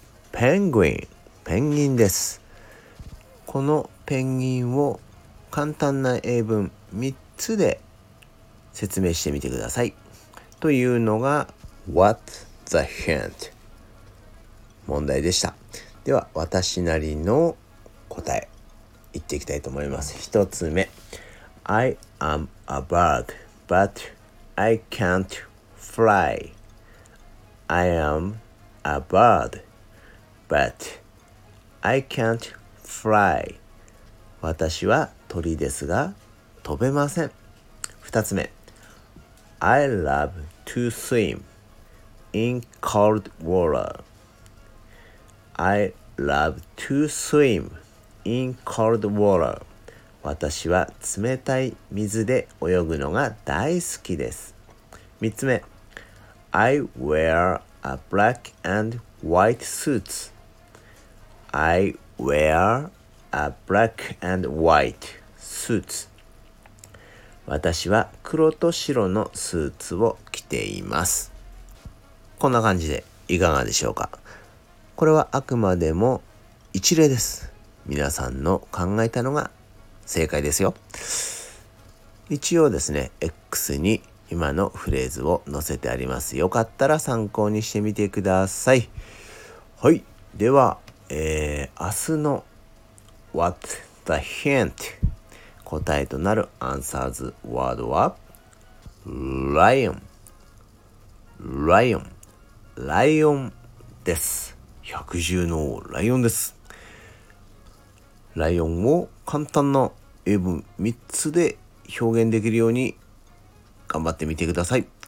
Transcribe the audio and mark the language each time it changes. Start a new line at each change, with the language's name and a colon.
Japanese: ペンギン、ペンギンです。このペンギンを簡単な英文3つで説明してみてくださいというのが What the hint 問題でした。では私なりの答え言っていきたいと思います。 1つ目、
English: I am a bird but I can't fly. I am a bird but I can't fly.
Japanese: 私は鳥ですが飛べません。 2つ目、
English: I love to swim in cold water. I love to swim in cold water.
Japanese: 私は冷たい水で泳ぐのが大好きです。 3つ目、
English: I wear a black and white suit. I wear a black and white suit.
Japanese: 私は黒と白のスーツを着ています。こんな感じでいかがでしょうか。これはあくまでも一例です。皆さんの考えたのが正解ですよ。一応ですね、X に今のフレーズを載せてあります。よかったら参考にしてみてください。はい。では、明日の
English: What the hint?
Japanese: 答えとなるアンサーズワードは、ライオン。ライオン。ライオンです。百獣の王、ライオンです。ライオンを簡単な英文3つで表現できるように頑張ってみてください。